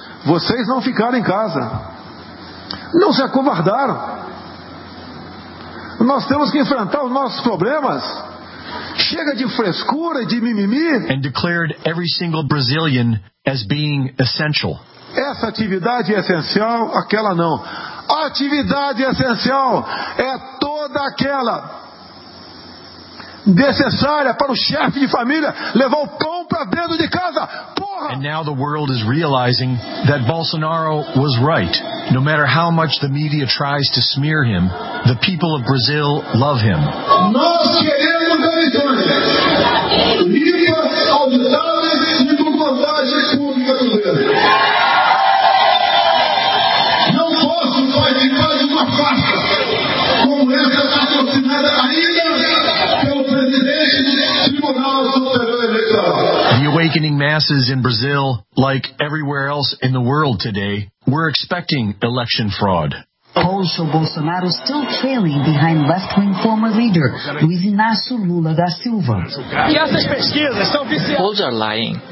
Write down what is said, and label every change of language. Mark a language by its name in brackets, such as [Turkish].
[Portuguese] Vocês não ficaram em casa. Não se acovardaram. Nós temos que enfrentar os nossos problemas. Chega de frescura e de mimimi. [English] And declared every single Brazilian as being essential. [Portuguese] Essa atividade é essencial, aquela não. A atividade essencial é toda aquela necessária para o chefe de família levar o pão para dentro de casa. Porra! [English] And now the world is realizing that Bolsonaro was right. No matter how much the media tries to smear him, the people of Brazil love him. [Portuguese] Nós queremos a vitória. Rica, auditável e com contagem pública do governo. Não posso participar de uma farsa como essa patrocinada ainda pelo presidente do Tribunal Superior Eleitoral. [English] The awakening masses in Brazil, like everywhere else in the world today, were expecting election fraud. Polls show Bolsonaro still trailing behind left-wing former leader Luiz Inácio Lula da Silva. Polls are lying.